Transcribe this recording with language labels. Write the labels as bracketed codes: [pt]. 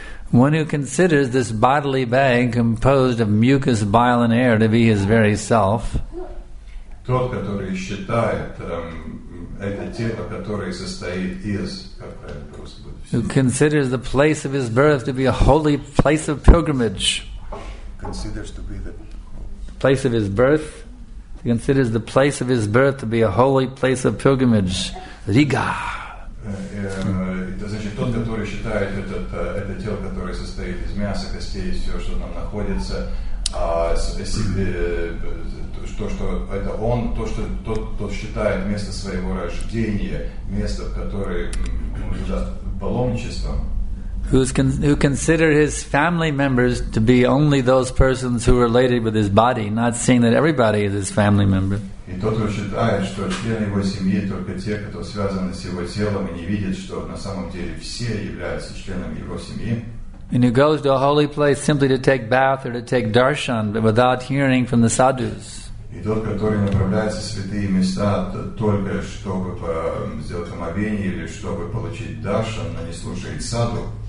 [en] One who considers this bodily bag composed of mucus, bile, and air to be his very self. [ru] Тот, который считает это тело, которое состоит из, [en] who considers the place of his birth to be a holy place of pilgrimage. Considers to be the place of his birth. He considers the place of his birth to be a holy place of pilgrimage. Riga. [ru] Это значит, тот, который считает это тело, которое состоит из мяса, костей, все, что там находится, тот считает место своего рождения, место, в которое паломничество. [en] Who consider his family members to be only those persons who are related with his body, not seeing that everybody is his family member. [ru] И тот, кто считает, что члены его семьи только те, кто связаны с его телом, и не видит, что на самом деле все являются членами его семьи. [en] And he goes to a holy place simply to take bath or to take darshan, but without hearing from the sadhus. [ru] И тот, который направляется в святые места только чтобы сделать омовение или чтобы получить даршан, но не слушает саду.